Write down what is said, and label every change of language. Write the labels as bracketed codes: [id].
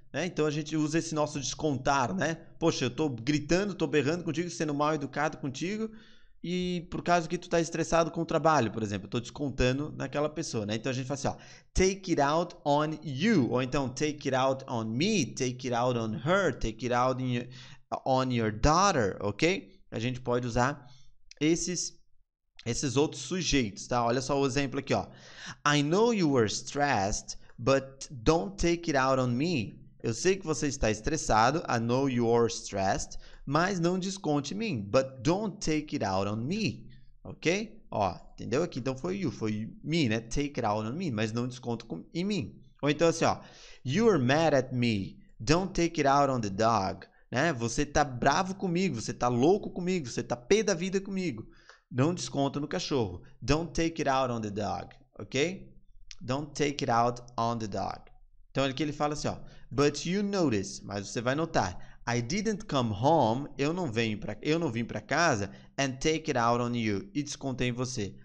[pt] Então, a gente usa esse nosso descontar, né? Poxa, eu tô gritando, tô berrando contigo, sendo mal educado contigo, e por causa que tu tá estressado com o trabalho, por exemplo, eu tô descontando naquela pessoa, né? Então, a gente fala assim, ó, [en] take it out on you, [pt] ou então, [en] take it out on me, take it out on her, take it out on your daughter, ok? [pt] A gente pode usar esses outros sujeitos, tá? Olha só o exemplo aqui, ó. [en] I know you were stressed, but don't take it out on me. [pt] Eu sei que você está estressado, [en] I know you're stressed, [pt] mas não desconte em mim, [en] but don't take it out on me, [pt] ok? Ó, entendeu aqui? Então foi me, né? [en] Take it out on me, [pt] mas não desconto em mim. Ou então assim, ó, [en] you're mad at me, don't take it out on the dog, né? [pt] Você tá bravo comigo, você tá louco comigo, você tá pé da vida comigo, não desconto no cachorro, [en] don't take it out on the dog, [pt] ok? [en] Don't take it out on the dog. [pt] Então, aqui ele fala assim, ó, [en] but you notice, [pt] mas você vai notar, [en] I didn't come home, [pt] eu não vim para casa, [en] and take it out on you, [pt] e descontei em você.